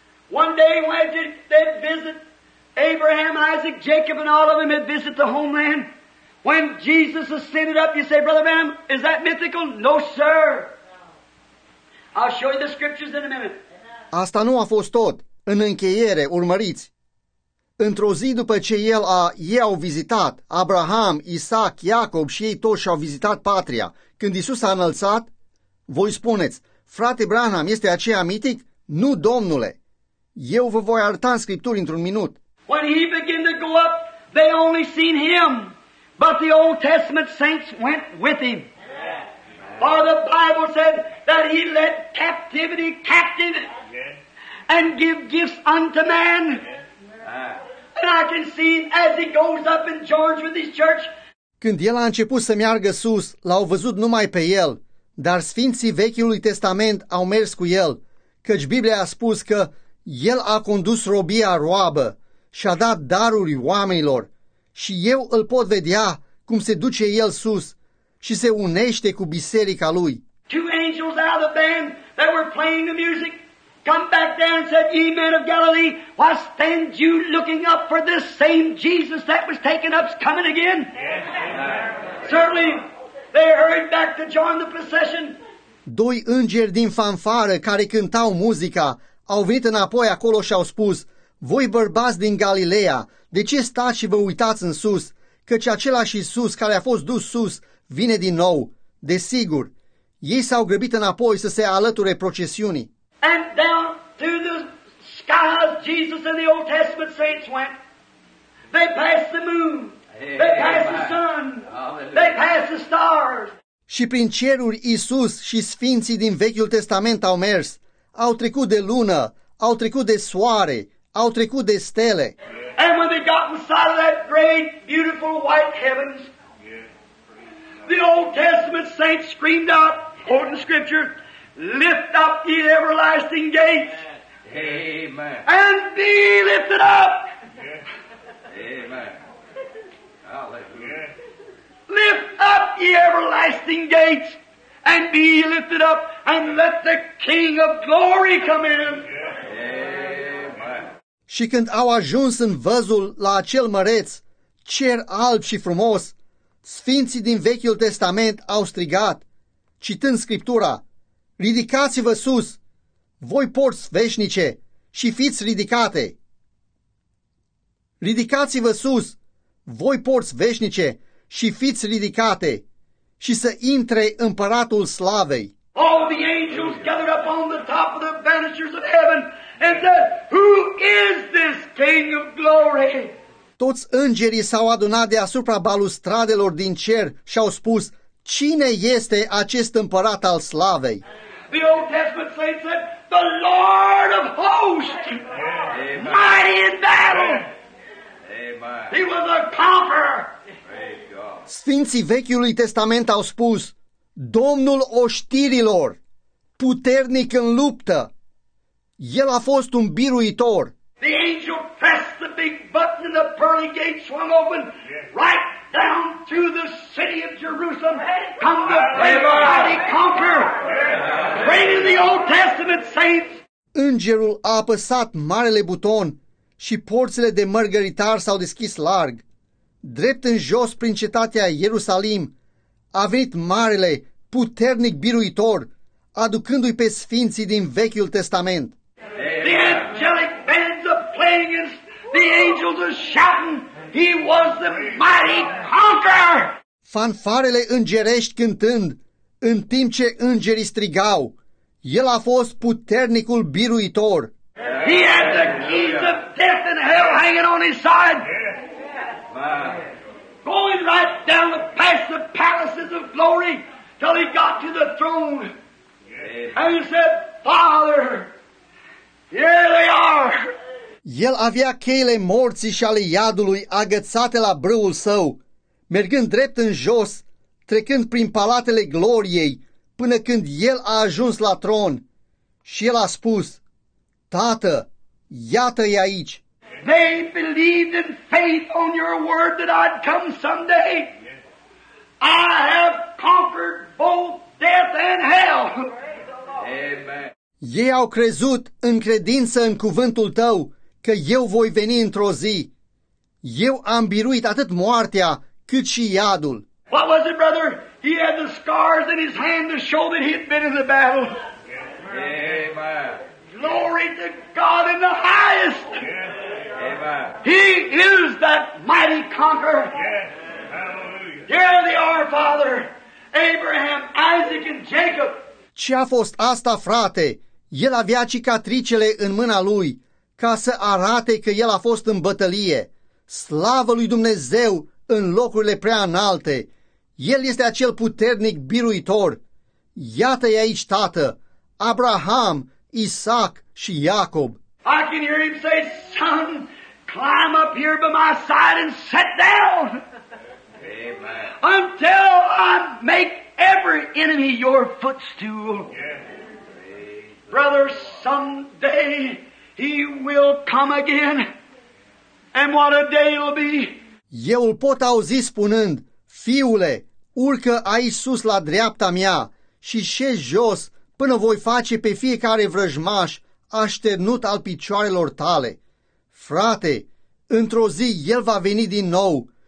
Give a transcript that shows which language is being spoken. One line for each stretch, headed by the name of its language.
English: One day when they visit Abraham, Isaac, Jacob, and all of them had visited the homeland. When Jesus ascended up, you say, Brother Bam, is that mythical? No, sir. I'll show you the scriptures in a minute.
Romanian: Asta nu a fost tot. În încheiere, urmăriți. Într-o zi după ce ei au vizitat Abraham, Isaac, Iacob și ei toți și-au vizitat patria, când Iisus a înălțat, voi spuneți, frate Branham, este aceea mitic? Nu, Domnule! Eu vă voi arăta în Scripturi într-un minut.
English: When he began to go up, they only seen him, but the Old Testament saints went with him. For the Bible said that he led captivity captive and give gifts unto man. And I can see as he goes up and joins with his church.
Romanian: Când el a început să meargă sus, l-au văzut numai pe el, dar sfinții Vechiului Testament au mers cu el, căci Biblia a spus că el a condus robia roabă și a dat daruri oamenilor, și eu îl pot vedea cum se duce el sus și se unește cu biserica lui.
English: Two angels out of the band that were playing the music come back down and said, ye men of Galilee, why stand you looking up for this same Jesus that was taken up coming again? Yes. Certainly, they hurried back to join the procession.
Romanian: Doi îngeri din fanfară care cântau muzica au venit înapoi acolo și au spus, voi bărbați din Galileea, de ce stați și vă uitați în sus? Căci același Iisus care a fost dus sus vine din nou, desigur. Ei s-au grăbit înapoi să se alăture procesiunii.
English: And down to the skies Jesus and the Old Testament saints went. They passed the moon. They passed the sun. They passed the stars.
Romanian: Și prin ceruri Iisus și sfinții din Vechiul Testament au mers. Au trecut de lună, au trecut de soare, au trecut de stele.
English: And when they got inside of that great, beautiful white heavens, the Old Testament saints screamed out, quoting scripture, lift up ye everlasting gates. Amen. And be lifted up. Amen. Hallelujah. Lift up ye everlasting gates. And be lifted up, and let the King of Glory come in.
Romanian: Și când au ajuns în văzul la acel măreț, cer alb și frumos, sfinții din Vechiul Testament au strigat, citând Scriptura, ridicați-vă sus, voi porți veșnice și fiți ridicate. Ridicați-vă sus, voi porți veșnice și fiți ridicate. Și să intre împăratul slavei.
English: All the angels gathered up on the top of the banisters of heaven and said, who is this King of Glory?
Romanian: Toți îngerii s-au adunat deasupra balustradelor din cer și au spus, cine este acest împărat al slavei?
English: The Old Testament saints said, the Lord of hosts, mighty in battle. Amen. He was a conqueror.
Romanian: Sfinții Vechiului Testament au spus, Domnul oștirilor, puternic în luptă, el a fost un biruitor.
English: The angel pressed the big button and the pearly gate swung open, right down to the city of Jerusalem, come the mighty conqueror, great in the Old Testament saints.
Romanian: Îngerul a apăsat marele buton și porțile de mărgăritar s-au deschis larg. Drept în jos prin cetatea Ierusalim a venit marele, puternic biruitor, aducându-i pe sfinții din Vechiul Testament.
English: The angelic bands are playing and the angels are shouting, he was the mighty conqueror!
Romanian: Fanfarele îngerești cântând, în timp ce îngerii strigau, el a fost puternicul biruitor.
English: He had the keys of death and hell hanging on his side! Going right down the past the palaces of glory till he got to the throne. And he said, Father, here they are.
Romanian: El avea cheile morții și ale iadului agățate la brâul său, mergând drept în jos, trecând prin palatele gloriei, până când el a ajuns la tron. Și el a spus, Tată, iată-i aici.
English: They believed in faith on your word that I'd come someday. I have conquered both death and hell. Amen.
Romanian: Ei au crezut în credință în cuvântul tău că eu voi veni într-o zi. Eu am biruit atât moartea cât și iadul.
English: What was it, brother? He had the scars in his hand to show that he'd been in the battle. Yeah. Amen. Glory to God in the highest. Yes. Amen. He is that mighty conqueror. Yes. Hallelujah. Here they are, Father. Abraham, Isaac, and Jacob.
Romanian: Ce a fost asta, frate? El avea cicatricele în mâna lui, ca să arate că el a fost în bătălie. Slavă lui Dumnezeu în locurile prea înalte. El este acel puternic biruitor. Iată-i aici, tată, Abraham, Isaac și Iacob.
English: I can hear him say, son, climb up here by my side and sit down. Amen. Until I make every enemy your footstool. Yes. Brother, someday he will come again. And what a day it'll be.
Romanian: Eu îl pot auzi spunând, fiule, urcă aici sus la dreapta mea și șezi jos până voi face pe fiecare vrăjmaș așternut al picioarelor tale. Frate, într-o zi el va veni din nou.